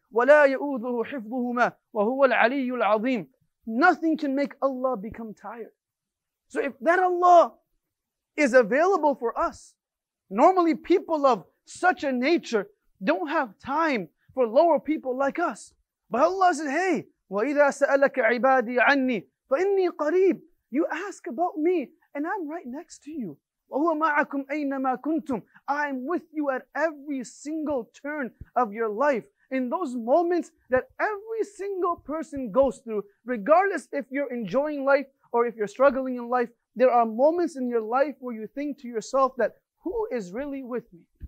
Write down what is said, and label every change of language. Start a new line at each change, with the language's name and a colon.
Arabic: وَلَا يَؤُذُهُ حِفْظُهُمَا وَهُوَ الْعَلِيُّ الْعَظِيمُ.
English: Nothing can make Allah become tired. So if that Allah is available for us, normally people of such a nature don't have time for lower people like us. But Allah says, hey,
Arabic: وَإِذَا سَأَلَكَ عِبَادِي عَنِّي فَإِنِّي قَرِيبٌ.
English: You ask about me and I'm right next to you.
Arabic: وَهُوَ مَعَكُمْ أَيْنَمَا كُنْتُمْ.
English: I'm with you at every single turn of your life. In those moments that every single person goes through, regardless if you're enjoying life or if you're struggling in life, there are moments in your life where you think to yourself that, who is really with me?